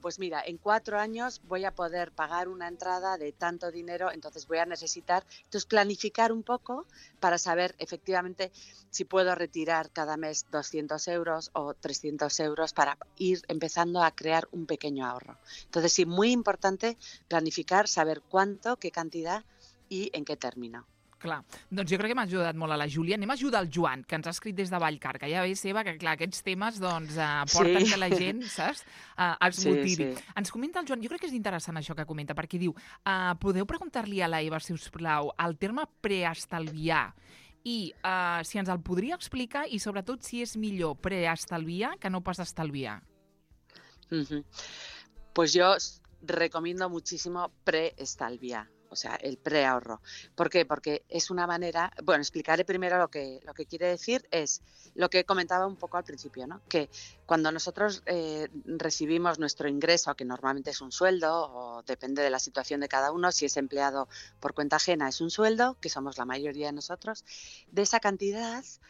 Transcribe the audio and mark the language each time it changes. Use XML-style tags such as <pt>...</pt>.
<es>Pues mira, en 4 años voy a poder pagar una entrada de tanto dinero, entonces voy a necesitar, entonces planificar un poco para saber efectivamente si puedo retirar cada mes 200 euros o 300 euros para ir empezando a crear un pequeño ahorro. Entonces sí, muy importante planificar, saber cuánto, qué cantidad y en qué término.</es> <ca>Clar, doncs jo crec que m'ha ajudat molt a la Júlia. Anem a ajudar el Joan, que ens ha escrit des de Vallcarca. Ja veus, Eva, que clar, aquests temes doncs, porten que la gent, saps, els motivi. Ens comenta el Joan, jo crec que és interessant això que comenta, perquè diu, podeu preguntar-li a la Eva, si us plau, el terme preestalviar i si ens el podria explicar i sobretot si és millor preestalviar que no pas estalviar.</ca> <es>Pues yo recomiendo muchísimo preestalviar. O sea, el preahorro. ¿Por qué? Porque es una manera... Bueno, explicaré primero lo que quiere decir es lo que comentaba un poco al principio, ¿no? Que cuando nosotros recibimos nuestro ingreso, que normalmente es un sueldo, o depende de la situación de cada uno, si es empleado por cuenta ajena es un sueldo, que somos la mayoría de nosotros, de esa cantidad...</es>